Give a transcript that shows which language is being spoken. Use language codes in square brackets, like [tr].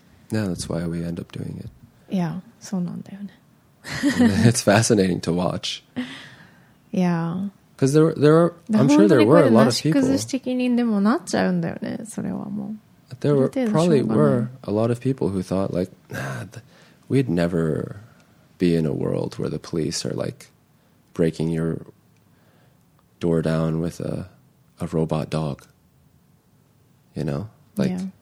[en] Yeah, that's why we end up doing it. [ja] Yeah, そうなんだよね。 [en] It's fascinating to watch. Yeah. Because I'm sure there were a lot of people. [ja] 本当にこれで無し崩し的にでもなっちゃうんだよね、それはもう。 [en] There were, probably were a lot of people who thought like, we'd never be in a world where the police are like breaking your door down with a robot dog. You know? Like, yeah.